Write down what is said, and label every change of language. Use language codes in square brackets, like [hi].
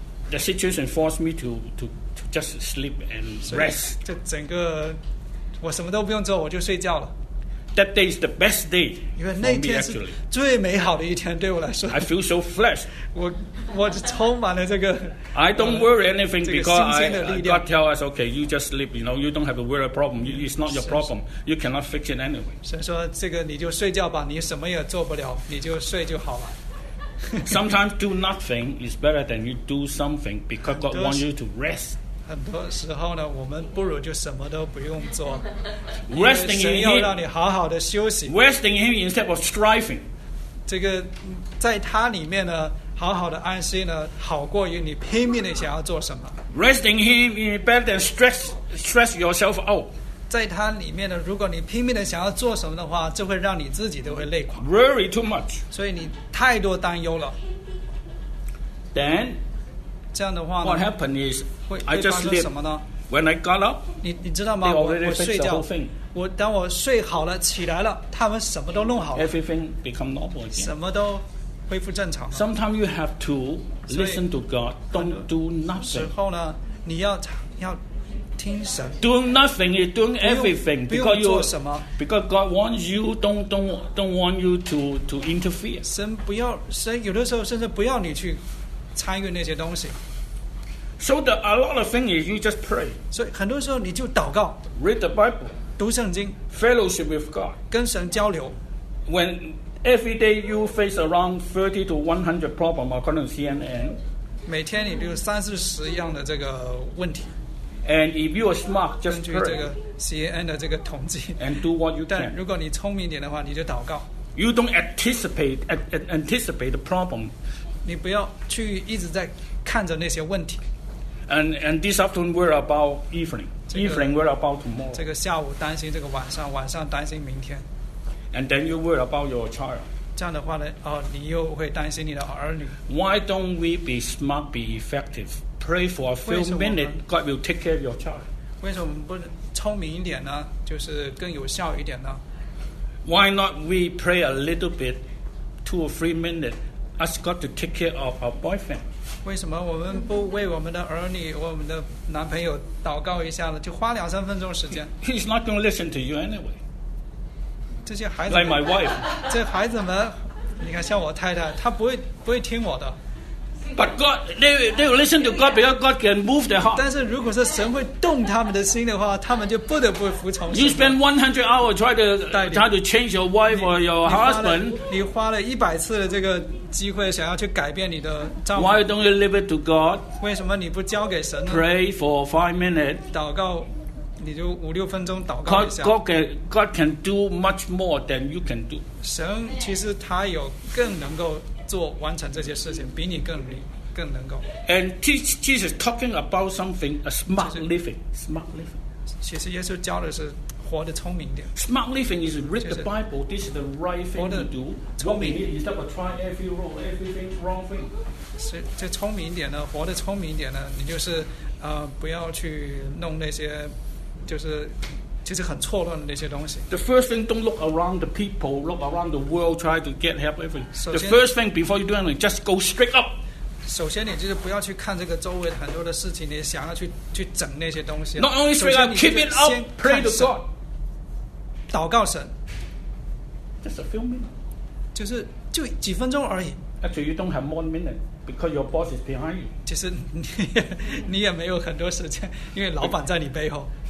[en] The situation forced me to just sleep and rest. [zh] 这整个我什么都不用做，我就睡觉了。 [en] That day is the best day. [zh] 因为那天是最美好的一天，对我来说。 [en] I feel so fresh. [zh] 我充满了这个。 [en] I don't worry anything because God tell us, okay, you just sleep. You know, you don't have to worry a problem. It's not your problem. You cannot fix it anyway. [zh] 神说这个你就睡觉吧，你什么也做不了，你就睡就好了。 [en] Sometimes do nothing is better than you do something because God wants you to rest. [zh] 很多时候呢，我们不如就什么都不用做。 [en] Resting in Him. [zh] 神要让你好好的休息。 [en] Resting in Him instead of striving. [zh] 这个在他里面呢。好好的安息呢，好过于你拼命的想要做什么。 [en] Resting him is better than stress yourself out. [zh] 在他里面呢，如果你拼命的想要做什么的话，就会让你自己都会累垮。 [en] Worry too much. [zh] 所以你太多担忧了。 [en] Then, [zh] 这样的话呢 [en] ，What happened is [zh] 会发生什么呢 [en] ？When I got up, [zh] 你知道吗？我睡觉。我当我睡好了起来了，他们什么都弄好了。 [en] Everything become normal again. [zh] 什么都恢复正常了。 [en] Sometimes you have to listen to God. Don't do nothing. [zh] 时候呢，你要听神。 [en] Doing nothing is doing everything. [zh] 不用做什么。 [en] Because God wants you, don't want you to interfere. [zh] 神不要，神有的时候甚至不要你去参与那些东西。 [en] So the a lot of things is you just pray. [zh] 所以很多时候你就祷告。 [en] Read the Bible. [zh] 读圣经 [en] ，fellowship with God， [zh] 跟神交流。 [en] When every day you face around 30 to 100 problem according to CNN， [zh] 每天你有三四十样的这个问题。 [en] And if you are smart, just pray. [zh] 根据这个 CNN 的这个统计。 [en] And do what you can. [zh] 但如果你聪明一点的话，你就祷告。 [en] You don't anticipate the problem. [zh] 你不要去一直在看着那些问题。 [en] And this afternoon we're about evening. Evening worry about tomorrow. [zh] 这个下午担心这个晚上，晚上担心明天。 [en] And then you worry about your child. [zh] 这样的话呢，哦，你又会担心你的儿女。 [en] Why don't we be smart, be effective? Pray for a few minutes. God will take care of your child. [zh] 为什么不聪明一点呢？就是更有效一点呢 [en] ？Why not we pray a little bit, two or three minutes? Ask God to take care of our boyfriend. [zh] 为什么我们不为我们的儿女我们的男朋友祷告一下呢就花两三分钟时间 [en] He's not going to listen to you anyway [zh] 这些孩子 [en] Like my wife [zh] 这孩子们你看像我太太她不会听我的 [en] But God they will listen to God because God can move their heart [zh] 但是如果是神会动他们的心的话他们就不得不服从 [en] You spend 100 hours trying to change your wife or your husband [zh] 你花了一百次的这个机会想要去改变你的丈夫 [en] Why don't you leave it to God? [zh] 为什么你不交给神呢 [en] Pray for 5 minutes [zh] 祷告你就五六分钟祷告一下 [en] God can do much more than you can do [zh] 神其实他有更能够做完成这些事情比你更能够 [en] And Jesus talking about something a smart living [zh] 其实耶稣教的是活得聪明点 [en] Smart living is read the Bible. This is the right thing to do. 聪明 instead of trying every wrong, everything wrong thing. [zh] 是，就聪明一点呢，活得聪明一点呢，你就是不要去弄那些，就是其实很错乱的那些东西。 [en] The first thing, don't look around the people, look around the world, try to get help. Everything. The first thing before you do anything, just go straight up. [zh] 首先你就是不要去看这个周围很多的事情你想要去整那些东西 [en] Not only straight up keep it up pray to God [zh] 祷告神 [en] Just a few minutes [zh] 就是就几分钟而已 [en] Actually you don't have more minutes because your boss is behind you [zh] 其实你也没有很多时间因为老板在你背后